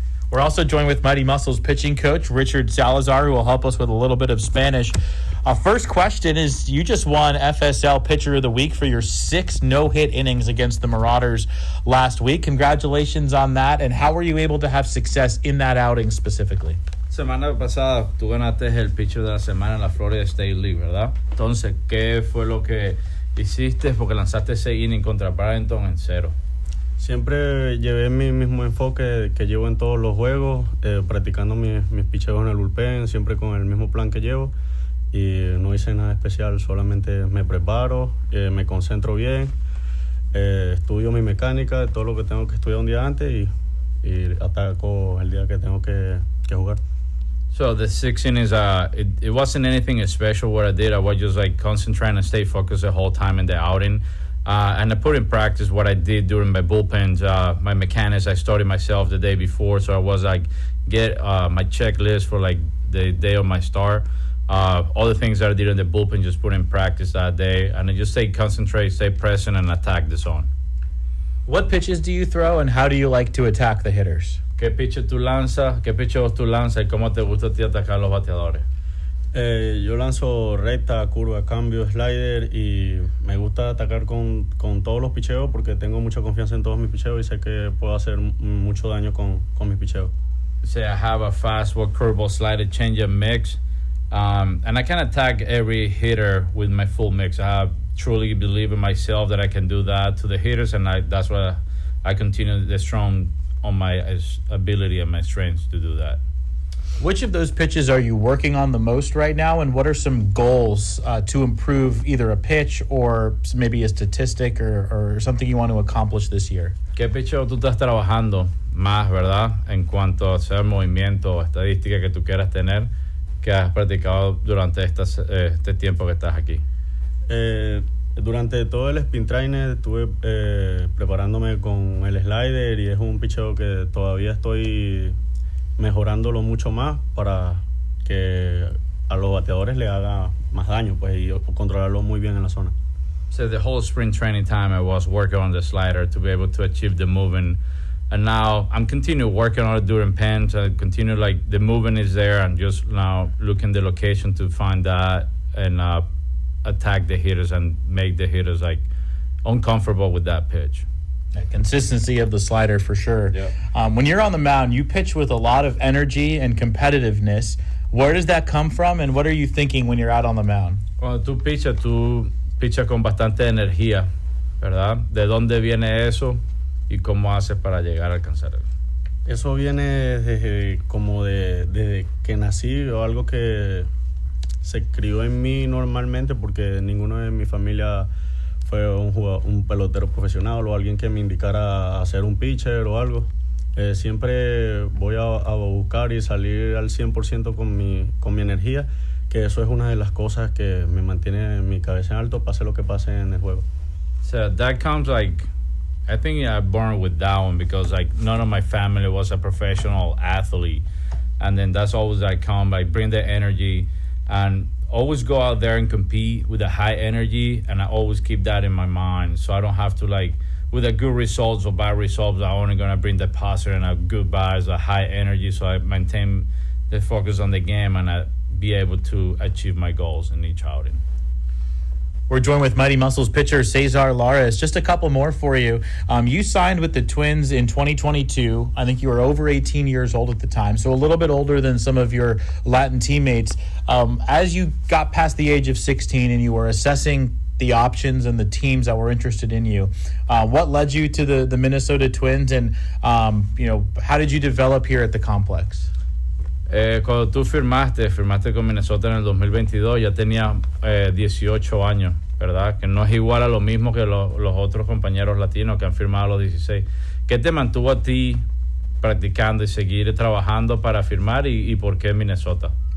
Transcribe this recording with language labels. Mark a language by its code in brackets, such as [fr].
[en] We're also joined with Mighty Muscles pitching coach Richard Salazar, who will help us with a little bit of Spanish. First question is, you just won FSL Pitcher of the Week for your 6 no-hit innings against the Marauders last week. Congratulations on that. And how were you able to have success in that outing specifically? [es] Semana pasada, tú ganaste el pitcher de la semana en la Florida State League, ¿verdad? Entonces, ¿qué fue lo que hiciste? Porque lanzaste 6 innings contra Bradenton en cero. Siempre llevé mi mismo enfoque que llevo en todos los juegos, practicando mis picheos en el bullpen, siempre con el mismo plan que llevo. Y no hice nada especial, solamente me preparo, me concentro bien, estudio mi mecánica, todo lo que tengo que estudiar un día antes y ataco el día que tengo que jugar. [en] So the 6 innings, it wasn't anything special what I did. I was just like concentrating and stay focused the whole time in the outing. And I put in practice what I did during my bullpen, my mechanics. I started myself the day before, so I was like, get my checklist for like the day of my start. All the things that I did in the bullpen, just put in practice that day, and I just stay concentrated, stay present, and attack the zone. What pitches do you throw, and how do you like to attack the hitters? [es] ¿Qué pitches tú lanzas? ¿Qué pitches tú lanzas? ¿Cómo te gusta ti atacar los bateadores? Yo lanzo recta, curva, cambio, slider y me gusta atacar con todos los picheos porque tengo mucha confianza en todos mis picheos y sé que puedo hacer mucho daño con mis picheos. [en] Say I have a fastball, curveball, slider, changeup mix, and I can attack every hitter with my full mix. I truly believe in myself that I can do that to the hitters, and that's why I continue the strong on my ability and my strength to do that. Which of those pitches are you working on the most right now, and what are some goals to improve either a pitch or maybe a statistic or something you want to accomplish this year? [es] ¿Qué pitcher tú estás trabajando más, verdad, en cuanto a ser movimiento o estadística que tú quieras tener que has practicado durante este tiempo que estás aquí? Durante todo el spin trainer estuve preparándome con el slider, y es un picheo que todavía estoy mejorándolo mucho más para que a los bateadores le haga más daño, pues, y controlarlo muy bien en la zona. [en] So the whole spring training time I was working on the slider to be able to achieve the movement, and now I'm continue working on it during pens. I continue, like, the movement is there, and just now looking the location to find that and attack the hitters and make the hitters, like, uncomfortable with that pitch. That consistency of the slider for sure. Yep. When you're on the mound, you pitch with a lot of energy and competitiveness. Where does that come from, and what are you thinking when you're out on the mound? [es] Cuando tú pichas con bastante energía, ¿verdad? ¿De dónde viene eso y cómo haces para llegar a alcanzarlo? Eso viene desde como desde que nací, o algo que se crió en mí normalmente, porque ninguno de mi familia fue un pelotero profesional o alguien que me indicara a ser un pitcher o algo. Siempre voy a buscar y salir al 100% con mi energía, que eso es una de las cosas que me mantiene en mi cabeza en alto, pase lo que pase en el juego. [en] So that comes, like, I think I'm born with that one, because, like, none of my family was a professional athlete. And then that's always that come, like, bring the energy and always go out there and compete with a high energy, and I always keep that in my mind, so I don't have to, like, with a good results or bad results, I only gonna bring the positive and a good vibes, a high energy, so I maintain the focus on the game and I be able to achieve my goals in each outing. We're joined with Mighty Muscles pitcher Cesar Lares. Just a couple more for you. You signed with the Twins in 2022. I think you were over 18 years old at the time, so a little bit older than some of your Latin teammates. As you got past the age of 16 and you were assessing the options and the teams that were interested in you, what led you to the Minnesota Twins, and how did you develop here at the complex? [es] Cuando tú firmaste con Minnesota en el 2022, ya tenía 18 años, ¿verdad? Que no es igual a lo mismo que los otros compañeros latinos que han firmado a los 16. ¿Qué te mantuvo a ti practicando y seguir trabajando para firmar, y por qué Minnesota?